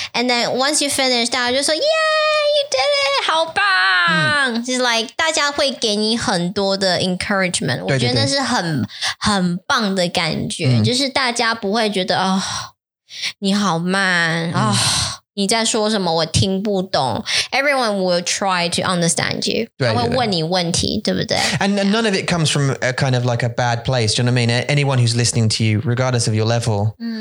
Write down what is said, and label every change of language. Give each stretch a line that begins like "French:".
English: And then once you finish,
Chinese: 大家就说,
English: yeah, you did it.
Chinese: 好棒.
English: It's like,
Chinese: 大家会给你很多的 encouragement. 我觉得那是很棒的感觉,就是大家不会觉得 你好慢,你在说什么,我听不懂.
English: Everyone will try to understand you.
Chinese: 他会问你问题,对不对?
English: And none of it comes from a kind of like a bad place, do you know what I mean? Anyone who's listening to you, regardless of your level,